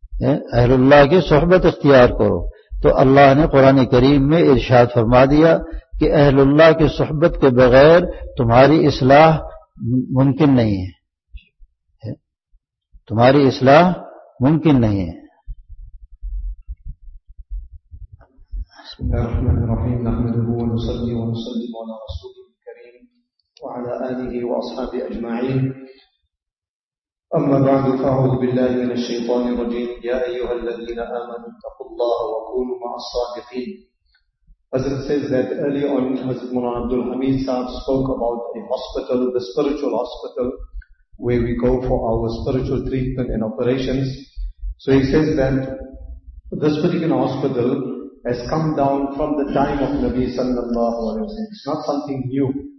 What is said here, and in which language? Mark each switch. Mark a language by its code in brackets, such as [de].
[ur] اہل اللہ کی صحبت اختیار کرو۔ تو اللہ نے قرآن کریم میں ارشاد فرما دیا کہ اہل اللہ کی صحبت کے بغیر تمہاری اصلاح ممکن نہیں ہے، تمہاری اصلاح ممکن نہیں ہے۔ [ar] بسم الله الرحمن الرحيم، نحمده ونصلي ونسلم على رسوله الكريم وعلى آله وأصحابه أجمعين، أما بعد فأعوذ بالله من الشيطان الرجيم، يا أيها الذين آمنوا اتقوا الله وكونوا مع الصادقين. [en] As it says that early on, Hazrat Mullah Abdul Hamid Sahib spoke about a hospital, the spiritual hospital, where we go for our spiritual treatment and operations. So he says that this particular hospital has come down from the time of Nabi sallallahu alayhi wa sallam. It's not something new.